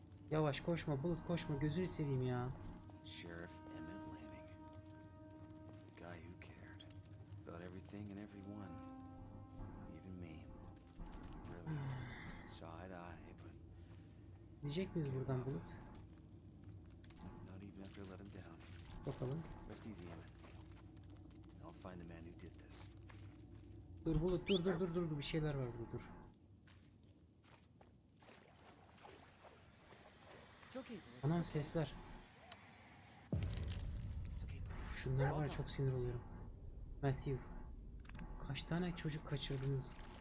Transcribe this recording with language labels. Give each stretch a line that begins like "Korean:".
Turkish: Yavaş koşma Bulut, koşma, gözünü seveyim ya.
English: Sheriff Emmett Lanning. The guy who cared about everything and everyone. Even me. Really. Side eye, but...
Turkish: Diyecek miyiz buradan Bulut?
English: Not even after let him down.
Turkish: Bakalım.
English: Rest easy, Emmett. I'll find the man who did this.
Turkish: Dur Bulut, dur dur dur dur, bir şeyler var burada, dur. Anam sesler. Uf, şunlar var ya, çok sinir oluyorum. Matthew. Kaç tane çocuk kaçırdınız?